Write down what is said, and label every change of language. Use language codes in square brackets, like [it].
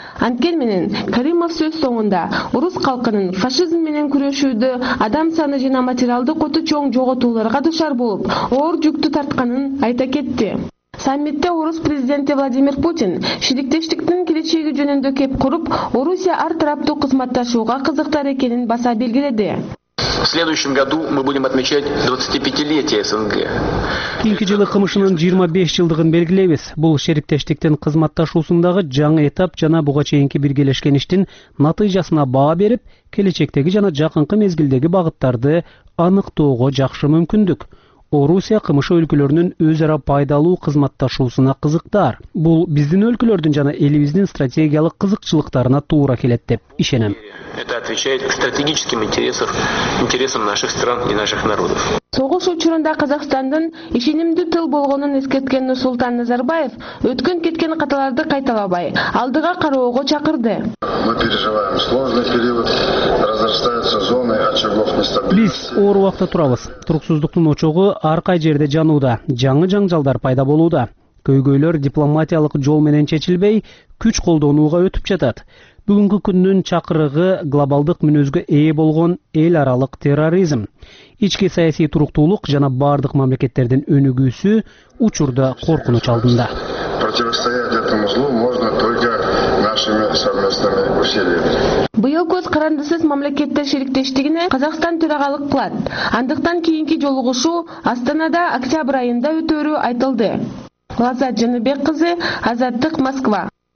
[ky] Анткен менен Каримов соңунда орус калкынын фашизм менен күрөшүүдө адам саны жана материалдык коту чоң жоготууларга дышар болуп, оор жүктү тартканын айта кетти. Саммитте орус президенти Владимир Путин шириктештиктин келечеги жөнүндө кеп куруп, Орусия ар тараптуу кызматташууга кызыктар экенин баса белгиледи. [ru] В следующем году мы будем отмечать 25-летие СНГ. [ky] Кийинки жылы КМШнын 25 жылдыгын белгилейбиз. Бул шериптештиктин кызматташуусундагы жаңы этап жана буга чейинки биргелешкен иштин натыйжасына баа берип, келечектеги жана жакынкы мезгилдеги багыттарды аныктоого жакшы мүмкүндүк. Орусия КМШ өлкөлөрүнүн өз ара пайдалуу кызматташуусуна кызыктар. Бул биздин өлкөлөрдүн жана элибиздин стратегиялык кызыкчылыктарына туура келет деп ишенем. [ru] Это отвечает стратегическим интересам наших стран и наших народов. [ky] Согуш учурунда Казакстандын ишенимдүү тыл болгонун эскерткен Нурсултан Назарбаев өткөн кеткен каталарды кайталабай, алдыга кароого чакырды. [ru] Мы переживаем сложный период, разрастаются зоны очагов нестабильности. [ky] Биз оор убакта турабыз. Туруксуздуктун очогу ар кай жерде жанууда, жаңы жаңжалдар пайда болууда. Көйгөйлөр дипломатиялык жол менен чечилбей, күч колдонууга өтүп жатат. Бүгүнкү күндүн чакырыгы глобалдык мүнөзгө ээ болгон эл аралык терроризм. Ички саясий туруктуулук жана бардык мамлекеттердин өнүгүүсү учурда коркунуч алдында. [ru] Противостоять этому злу можно только нашими совместными усилиями. [ky] Быйыл көз карандысыз мамлекеттер шириктештигине Казакстан төрагалык кылат. Андыктан кийинки жолугушуу Астанада октябрь айында өтөрү айтылды. Лаза Жаныбек кызы, Азаттык, Москва.